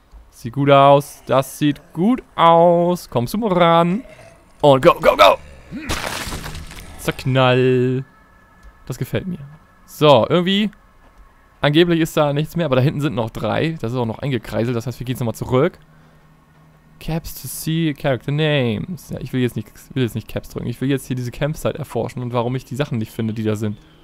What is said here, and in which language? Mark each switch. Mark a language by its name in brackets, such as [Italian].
[German] Sieht gut aus. Das sieht gut aus. Komm zum Ran. Und go, go, go! Zerknall. Das gefällt mir. So, irgendwie... Angeblich ist da nichts mehr, aber da hinten sind noch drei. Das ist auch noch eingekreiselt. Das heißt, wir gehen jetzt nochmal zurück. [English] Caps to see character names. [German] Ja, ich will jetzt nicht Caps drücken. Ich will jetzt hier diese Campsite erforschen und warum ich die Sachen nicht finde, die da sind.